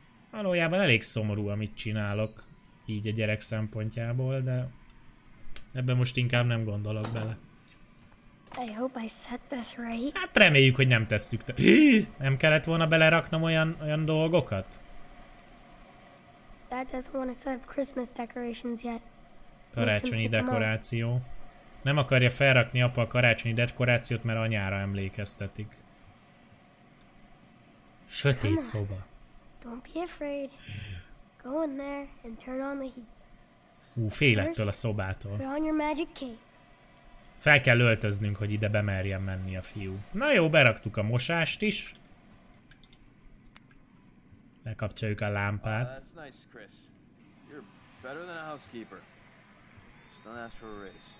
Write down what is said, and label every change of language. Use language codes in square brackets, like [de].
[hu] Valójában elég szomorú, amit csinálok, így a gyerek szempontjából, de ebben most inkább nem gondolok bele. [en] I hope I set this right. [hu] Hát reméljük, hogy nem tesszük te... Nem kellett volna beleraknom olyan dolgokat? [en] That doesn't want to set up Christmas decorations yet. [hu] Karácsonyi dekoráció. Nem akarja felrakni apa a karácsonyi dekorációt, mert anyára emlékeztetik. Sötét szoba. [en] Don't be afraid. Go in there and turn on the heat. [hu] Fél ettől a szobától. [en] Put on your magic cape. [hu] Fel kell öltöznünk, hogy ide bemerjen menni a fiú. Na jó, beraktuk a mosást is. Lekapcsoljuk a lámpát. [en] That's nice, Chris. You're better than a housekeeper. Just don't ask for a raise.